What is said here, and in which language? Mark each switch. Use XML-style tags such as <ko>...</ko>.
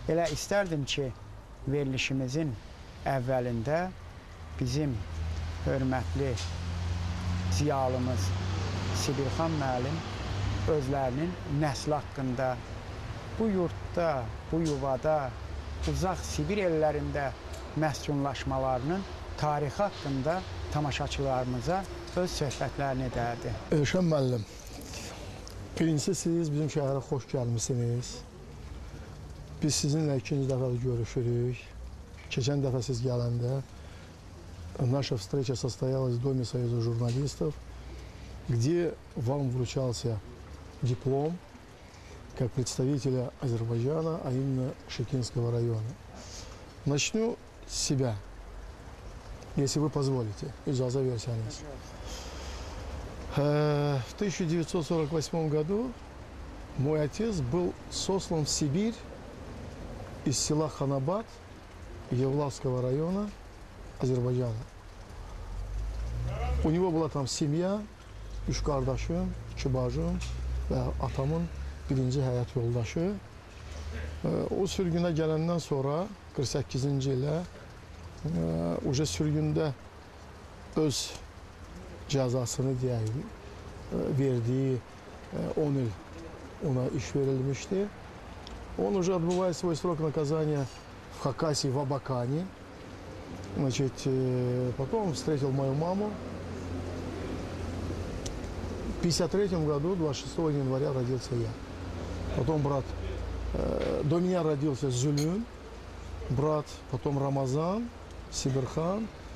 <az>Elə istərdim ki, verilişimizin əvvəlində bizim hörmətli ziyalımız Sibirxan müəllim özlərinin nəsli haqqında, bu yurtda, bu yuvada, uzaq Sibir ellərində məskunlaşmalarının tarixi haqqında tamaşaçılarımıza öz söhbətlərini edərdi. Elşən müəllim, birincisi siz bizim şəhərə xoş gəlmişsiniz. Biz sizinlə ikinci dəfə görüşürük. Keçən dəfə siz gələndə</az> <ru>naşa встреча состоялась в Доме Союза журналистов, где вам вручался диплом как представителя Азербайджана, а именно Шекинского района. Начну с себя, если вы позволите, Изаза Версианис. В 1948 году мой отец был сослан в Сибирь из села Ханабад Евлавского района Азербайджана. У него была там семья,</ru> <az>üç kardeşim, iki bacım və atamın birinci həyat yoldaşı. O sürgünə gələndən sonra 48-ci ilə уже sürgündə öz cəzasını deyək, verdiyi 10 il ona iş verilmişdi.</az> <ru>Он уже отбывает свой срок наказания в Хакасии, в Абакане. Значит, потом встретил мою маму. В 1953 году, 26 января, родился я. Потом брат, до меня родился Зюлюн, брат, потом Рамазан, Сибирхан.</ru>